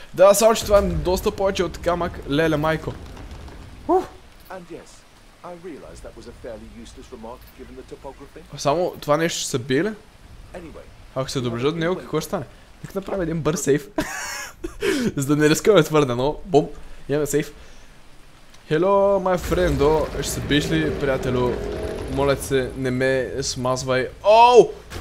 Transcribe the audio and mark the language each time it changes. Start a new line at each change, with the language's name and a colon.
Bulgarian: Да, само че това е доста повече от камък, леле майко.
English: And yes, I realize that was a fairly useless remark given the topography.
Bulgarian: Само това нещо ще се бие ли?
English: Anyway.
Bulgarian: Ако се доближа до него, какво ще стане? Нека направим един бърз сейф. За да не рискаме твърде, но бум, имаме сейф.
English: Hello, my friend,
Bulgarian: ще се биш ли, приятелю? Моля се, не ме смазвай. Оу!